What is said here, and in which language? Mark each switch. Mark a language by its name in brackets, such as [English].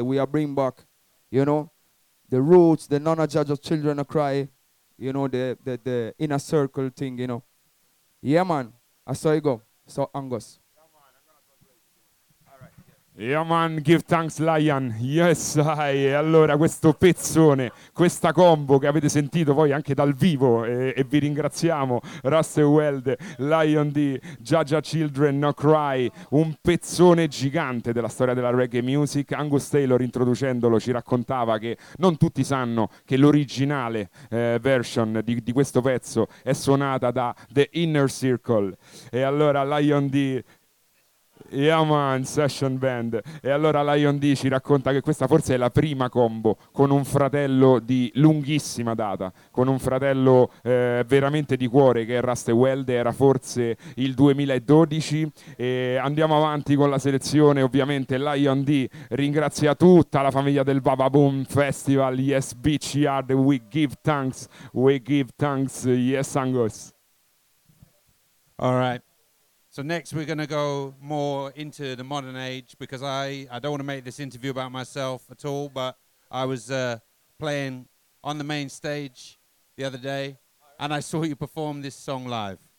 [English] We are bringing back, you know, the roots, the Nana Dja Dja Children No Cry, you know, the Inner Circle thing, you know. Yeah, man, I saw you go. So, Angus. Yeah man, give thanks Lion. Yes, hai. [Italian] Allora questo pezzone, questa combo che avete sentito voi anche dal vivo e vi ringraziamo, Rasta Welde, Lion D, Dja Dja Children No Cry, un pezzone gigante della storia della reggae music. Angus Taylor, introducendolo, ci raccontava che non tutti sanno che l'originale version di questo pezzo è suonata da The Inner Circle. E allora [English] Lion D, yeah man, session band. [Italian] E allora Lion D ci racconta che questa forse è la prima combo con un fratello di lunghissima data, con un fratello veramente di cuore che è Rasta Welde. Era forse il 2012. E andiamo avanti con la selezione. Ovviamente Lion D ringrazia tutta la famiglia del Baba Boom Festival. [English] Yes, Beach Yard, we give thanks. We give thanks. Yes, Angus. All right. So next we're going to go more into the modern age, because I don't want to make this interview about myself at all, but I was playing on the main stage the other day and I saw you perform this song live.